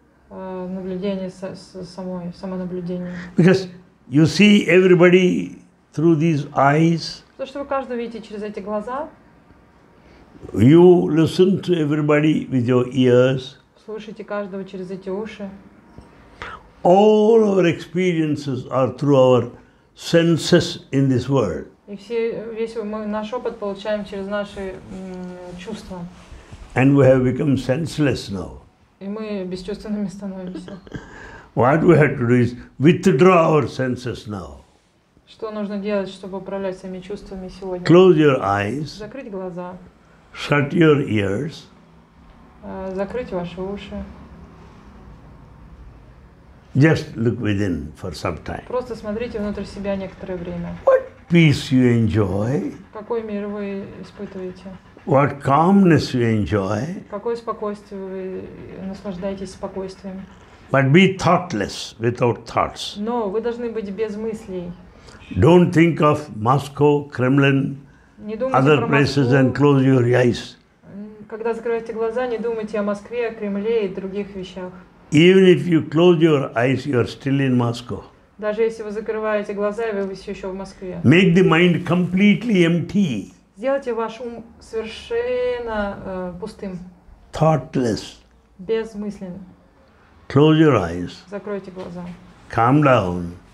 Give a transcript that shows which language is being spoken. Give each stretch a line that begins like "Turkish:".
Russian: наблюдение самой, самонаблюдение.
English: Because you see everybody through these eyes.
Russian: То, что вы каждый видите через эти глаза.
English: You listen to everybody with your ears.
Russian: Слушайте каждого через эти уши.
English: All our experiences are through our senses in this world.
Russian: И все, весь мы наш опыт получаем через наши чувства.
English: And we have become senseless now.
Russian: И мы бесчувственными становимся.
English: What we have to do is withdraw our senses now.
Russian: Что нужно делать, чтобы управлять своими чувствами сегодня?
English: Close your eyes.
Russian: Закрыть глаза.
English: Shut your ears.
Russian: Закрыть ваши уши.
English: Just look within for some time.
Russian: Просто смотрите внутрь себя некоторое время.
English: What peace you enjoy?
Russian: Какой мир вы испытываете?
English: What calmness you enjoy?
Russian: Какое спокойствие вы наслаждаетесь спокойствием?
English: But be thoughtless, without thoughts.
Russian: Но вы должны быть без мыслей.
English: Don't think of Moscow, Kremlin, other places, and close your eyes.
Russian: Когда закрываете глаза, не думайте о Москве, о Кремле и других вещах.
English: Even if you close your eyes, you are still in Moscow.
Russian: Даже если вы закрываете глаза, вы все еще в Москве.
English: Make the mind completely empty.
Russian: Сделайте ваш ум совершенно пустым.
English: Thoughtless.
Russian: Безмысленным.
English: Close your eyes.
Russian: Закройте глаза.
English: Calm down.